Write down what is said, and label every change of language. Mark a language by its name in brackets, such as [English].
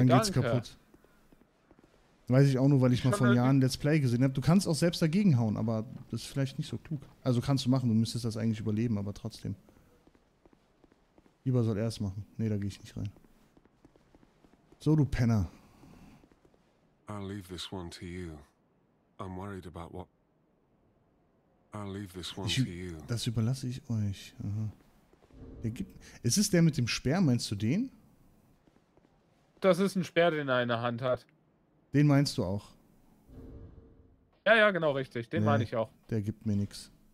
[German] Und dann geht's kaputt. Weiß ich auch nur, weil ich mal vor Jahren Let's Play gesehen habe. Du kannst auch selbst dagegen hauen, aber das ist vielleicht nicht so klug. Also kannst du machen, du müsstest das eigentlich überleben, aber trotzdem. Lieber soll er es machen. Nee, da gehe ich nicht rein. So, du Penner. [English] I'll leave this one to you. I'm worried about what. I'll leave this one to you. [German] Das überlasse ich euch. Der gibt, ist es der mit dem Speer? Meinst du den? Das ist ein Speer, den er in der Hand hat. Den meinst du auch? Ja, ja, genau richtig. Den meine ich auch. Der gibt mir nichts.